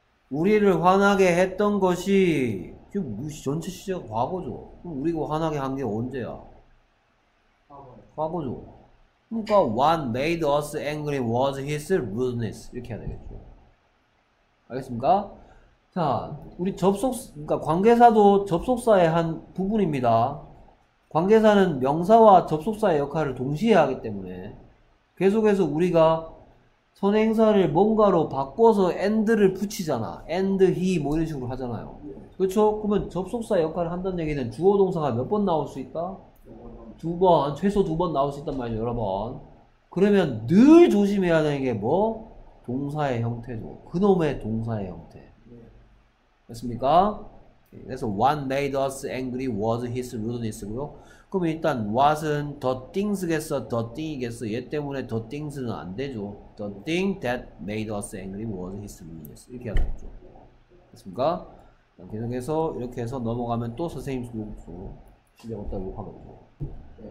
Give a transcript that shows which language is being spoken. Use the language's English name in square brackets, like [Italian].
[Korean] 우리를 화나게 했던 것이 전체 시제가 과거죠. 그럼 우리가 화나게 한게 언제야? 과거죠. 그러니까 [English] what made us angry was his rudeness. [Korean] 이렇게 해야 되겠죠. 알겠습니까? 자, 우리 그러니까 관계사도 접속사의 한 부분입니다. 관계사는 명사와 접속사의 역할을 동시에 하기 때문에 계속해서 우리가 선행사를 뭔가로 바꿔서 end를 붙이잖아. end he 뭐 이런 식으로 하잖아요. 그렇죠? 그러면 접속사 역할을 한다는 얘기는 주어 동사가 몇번 나올 수 있다? 두 번, 최소 두번 나올 수 있단 말이죠, 여러 번. 그러면 늘 조심해야 되는 게 뭐? 동사의 형태죠. 그놈의 동사의 형태. 됐습니까? 그래서 [English] what made us angry was his rudeness고요. [Korean] 그럼 일단 what은 the things겠어, the thing이겠어. 얘 때문에 [English] the things는 [Korean] 안 되죠. [English] The thing that made us angry was his rudeness. [Korean] 이렇게 해야 되겠죠. 됐습니까? 계속해서 이렇게 해서 넘어가면 또 선생님 욕, 실력 없다고 욕하거든요.